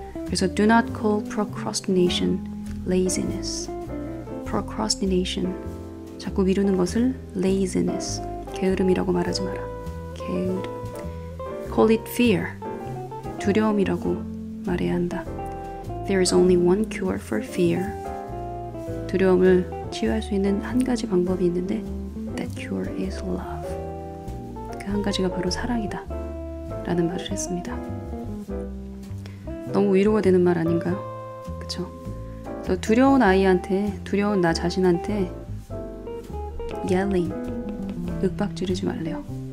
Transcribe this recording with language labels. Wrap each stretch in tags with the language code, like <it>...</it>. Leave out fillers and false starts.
<ko>그래서</ko> <en>do not call procrastination laziness. procrastination</en> <ko>자꾸 미루는 것을 laziness, 게으름이라고 말하지 마라. 게으름.</ko> <en>Call it fear,</en> <ko>두려움이라고 말해야 한다.</ko> <en>There is only one cure for fear.</en> <ko>두려움을 치유할 수 있는 한 가지 방법이 있는데</ko> <en>that cure is love.</en> <ko>그 한 가지가 바로 사랑이다 라는 말을 했습니다. 너무 위로가 되는 말 아닌가요? 그쵸? 그래서 두려운 아이한테, 두려운 나 자신한테 yelling, 윽박 지르지 말래요.</ko>